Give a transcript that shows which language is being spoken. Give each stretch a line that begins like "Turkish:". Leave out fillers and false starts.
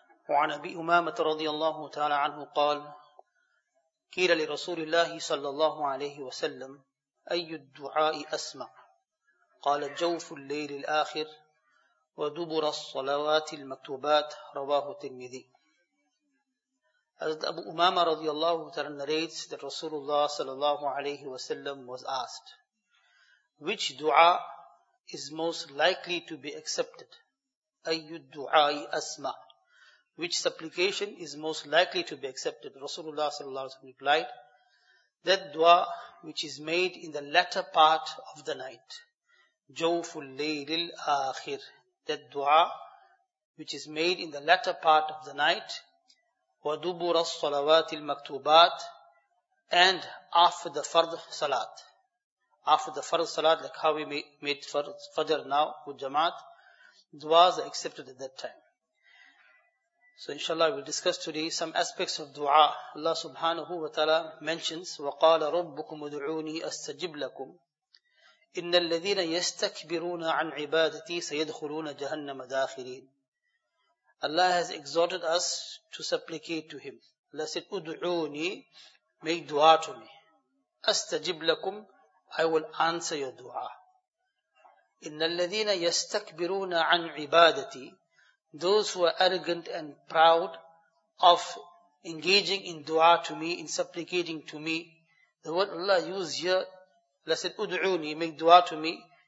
Arabic: وعن أبي أمامة رضي الله تعالى عنه قال قيل لرسول الله صلى الله عليه وسلم أي الدعاء أسمع؟ قال جوف الليل الآخر ودبر الصلوات المكتوبات. رواه الترمذي.
English: حضرت أبو أمامة رضي الله تعالى عنه narrates that Rasulullah صلى الله عليه وسلم was asked which dua is most likely to be accepted.
Arabic: أي الدعاء أسمع.
English: Which supplication is most likely to be accepted? Rasulullah صلى الله عليه وسلم replied, that dua which is made in the latter part of the night.
Arabic: جوف الليل الآخر.
English: That dua which is made in the latter part of the night.
Arabic: ودبر الصلوات المكتوبات.
English: And after the fard salat. After the fard salat, like how we made fajr now with jamaat, duas are accepted at that time. So inshallah we'll discuss today some aspects of dua.
Arabic: Allah subhanahu wa ta'ala mentions, وَقَالَ رَبُّكُمْ ادْعُونِي أَسْتَجِبْ لَكُمْ إِنَّ الَّذِينَ يَسْتَكْبِرُونَ عَنْ عِبَادَتِي سَيَدْخُلُونَ جَهَنَّمَ دَاخِرِينَ.
English: Allah has exhorted us to supplicate to Him. Allah said, ادْعُونِي, make dua to me.
Arabic: أَسْتَجِبْ لَكُمْ,
English: I will answer your dua.
Arabic: إِنَّ الَّذِينَ يَسْتَكْبِرُونَ عَنْ عِبَادَتِي,
English: those who are arrogant and proud of engaging in dua to me, in supplicating to me, the word Allah used here, Allah said, ud'uni, make dua to me.